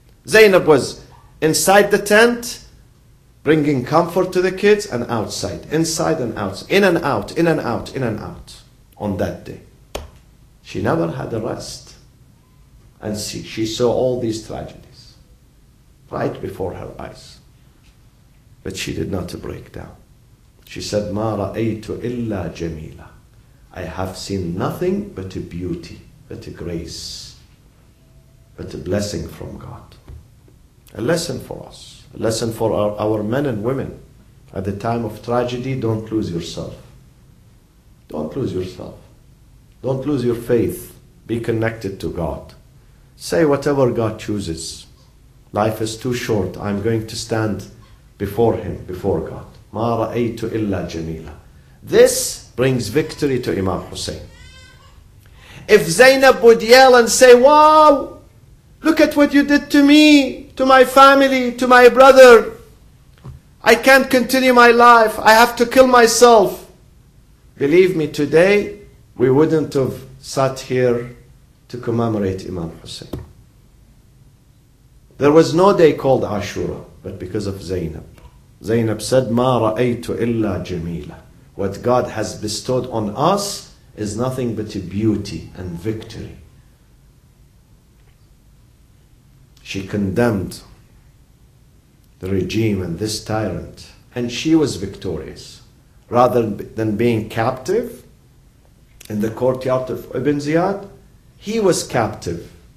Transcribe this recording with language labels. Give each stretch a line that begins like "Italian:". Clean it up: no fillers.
English: Zainab was inside the tent, bringing comfort to the kids, and outside, inside and out, in and out, in and out, in and out, on that day. She never had a rest. And she saw all these tragedies right before her eyes. But she did not break down. She said,
Arabic: مَا رَأَيْتُ إِلَّا جَمِيلًا.
English: I have seen nothing but a beauty, but a grace, but a blessing from God. A lesson for us. A lesson for our men and women. At the time of tragedy, don't lose yourself. Don't lose yourself. Don't lose your faith. Be connected to God. Say whatever God chooses. Life is too short. I'm going to stand before Him, before God.
Arabic: مَا رَأَيْتُ إِلَّا جَمِيلًا.
English: This brings victory to Imam Hussein. If Zainab would yell and say, wow, look at what you did to me, to my family, to my brother. I can't continue my life. I have to kill myself. Believe me, today, we wouldn't have sat here to commemorate Imam Hussein. There was no day called Ashura, but because of Zainab. Zainab said,
Arabic: مَا رَأَيْتُ إِلَّا جَمِيلًا.
English: What God has bestowed on us is nothing but a beauty and victory. She condemned the regime and this tyrant, and she was victorious. Rather than being captive in the courtyard of Ibn Ziyad, he was captive.